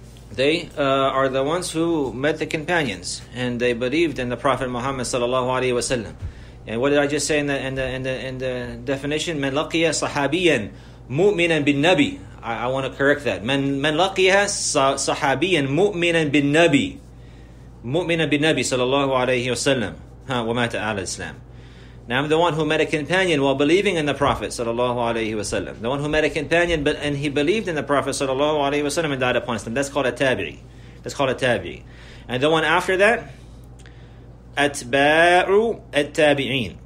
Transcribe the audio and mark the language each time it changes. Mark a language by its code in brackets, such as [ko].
[en] They are the ones who met the companions and they believed in the Prophet Muhammad sallallahu alaihi wasallam. And what did I just say in the definition? [ar] من لقي صحابيا مؤمنا بالنبي. [en] I want to correct that. [ar] من لقي صحابيا مؤمنا بالنبي. مؤمنا بالنبي sallallahu alaihi wasallam. ومات على الإسلام. [en] Now, I'm the one who met a companion while believing in the Prophet sallallahu alaihi wasallam. The one who met a companion and he believed in the Prophet sallallahu alaihi wasallam and died upon him. That's called a tabi'i. That's called a tabi'i. And the one after that, atba'u at-tabi'in.